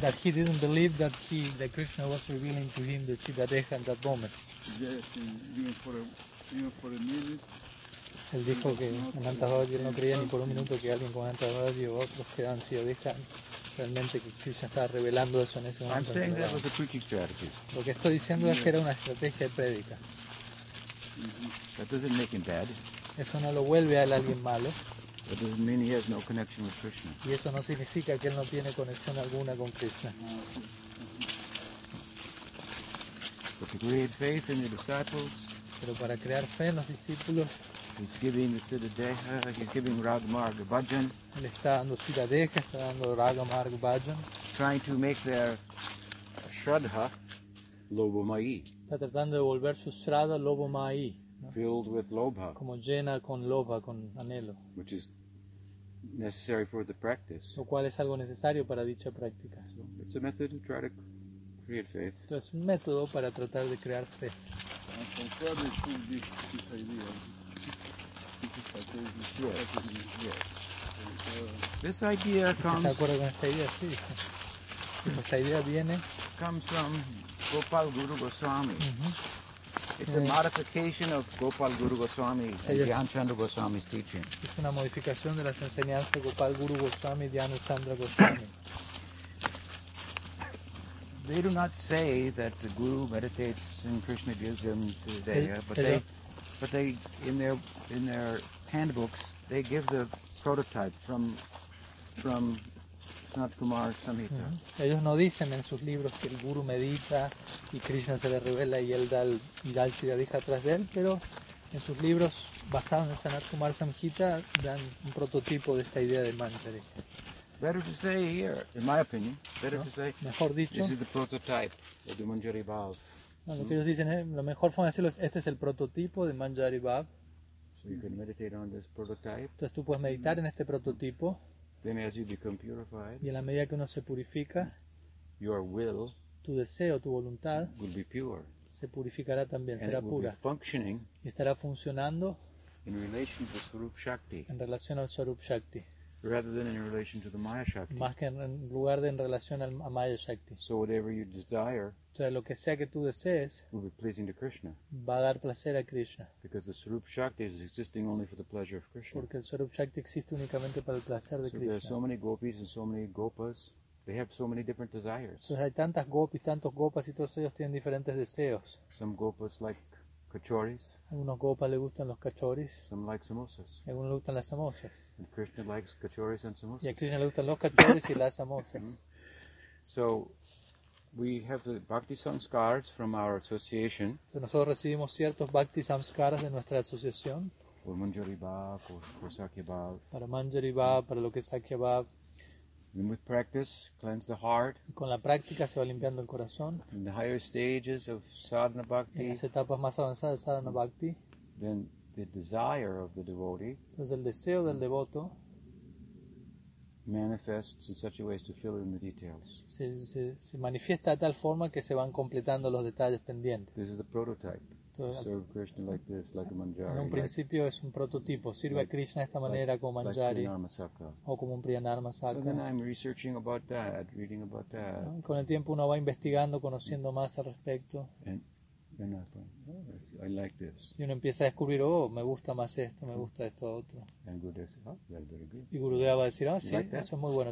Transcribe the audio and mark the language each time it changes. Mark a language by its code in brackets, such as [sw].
[en] That he didn't believe that he, that Krishna was revealing to him the Siddhadeha at that moment. Yes, even for a minute. [es] Él dijo que en Antahodhi no creía ni por un minuto que alguien con Antahodhi o otros que dan Siddhadeha. Realmente que Krishna estaba revelando eso en ese momento. [en] I'm saying that was a preaching strategy. [es] Lo que estoy diciendo es que era una estrategia de prédica. [en] That doesn't make him bad. [es] Eso no lo vuelve a él alguien malo. [en] That doesn't mean he has no connection with Krishna. [es] Y eso no significa que él no tiene conexión alguna con Krishna. [en] But to create faith in the disciples. [es] Pero para crear fe en los discípulos. [en] He's giving the Siddhadeha, he's giving Ragamarga Bhajan. [es] Él está dando Siddhadeha, está dando Ragamarga Bhajan. [en] Trying to make their Shraddha Lobamayi. [es] Está tratando de volver su Shraddha Lobamayi. [en] Filled with lobha, [es] como llena con lobha, con anhelo, [en] which is necessary for the practice. [es] Lo cual es algo necesario para dicha práctica. [en] So it's a method to try to create faith. [es] Es un método para tratar de crear fe. [en] This idea comes. [es] ¿Te acuerdas con esta idea? Sí. Esta idea viene. [en] Comes from Gopal Guru Goswami. It's a modification of Gopal Guru Goswami and Dhyanchandra Goswami's teaching. [es] Es una modificación de las enseñanzas de Gopal Guru Goswami y Dhyanchandra Goswami. [en] They do not say that the guru meditates and Krishna gives him Siddhadeha, but they in their handbooks they give the prototype from Sanat Kumar Samhita. Uh-huh. [es] Ellos no dicen en sus libros que el guru medita y Krishna se le revela y él da el Siddhadeha atrás de él, pero en sus libros basados en Sanat Kumar Samhita dan un prototipo de esta idea de mantra. [en] Better to say here, in my opinion, better no, to say, [es] mejor dicho, [en] this is the prototype of the Manjari Bhav. [es] No, lo que ellos dicen es, lo mejor forma de decirlo es, este es el prototipo de Manjari Bhav. [en] So you can meditate on this prototype. [es] Entonces tú puedes meditar en este prototipo. [en] Then as you become purified, [es] y en la medida que uno se purifica, [en] your will, [es] tu deseo, tu voluntad, [en] will be pure, [es] se purificará también, será pura, [en] be functioning, [es] y estará funcionando [en] in relation to Swarup Shakti, [es] en relación al Swarup Shakti, [en] rather than in relation to the Maya Shakti, [es] más que en lugar de en relación al a Maya Shakti. [en] So whatever you desire, [es] o sea, lo que sea que tú desees, [en] will be pleasing to Krishna, [es] va a dar placer a Krishna, [en] because the Swarup Shakti is existing only for the pleasure of Krishna. [es] Porque el Swarup Shakti existe únicamente para el placer de [en] so [es] Krishna. [en] So there are so many gopis and so many gopas, they have so many different desires. [es] O sea, hay tantas gopis, tantos gopas y todos ellos tienen diferentes deseos. [en] Some gopas like kachoris. [es] Algunos gopas le gustan los kachoris. [en] Some like samosas. [es] Algunos le gustan las samosas. [en] And Krishna likes kachoris and samosas. [es] Y a Krishna le gustan los kachoris y las samosas. [en] So we have the bhakti samskaras from our association. So [es] nosotros recibimos ciertos bhakti samskaras de nuestra asociación. [en] For Manjari Bhav, for Sakya Bhav. [es] Para Manjari Bhav, para lo que es Sakya Bhav. [en] And with practice, cleanse the heart. [es] Y con la práctica se va limpiando el corazón. [en] In the higher stages of sadhana bhakti. [es] En las etapas más avanzadas de sadhana bhakti. [en] Then the desire of the devotee. [es] Entonces el deseo del devoto. [en] Manifests in such a way as to fill in the details. [es] Se manifiesta de tal forma que se van completando los detalles pendientes. [en] This is the prototype. Serve Krishna like this, like a manjari. [es] En un principio es un prototipo. Sirve a Krishna de esta manera como manjari. O como un priyanarmasaka. [en] So then I'm researching about that, reading about that. [es] ¿No? Con el tiempo uno va investigando, conociendo más al respecto. [en] And I like this. [es] Y uno empieza a descubrir, oh, me gusta más esto, me gusta esto otro. [en] And Gurudeva says, oh, that's very good. [es] Y Gurudeva va a decir, ah, sí, like eso es muy bueno.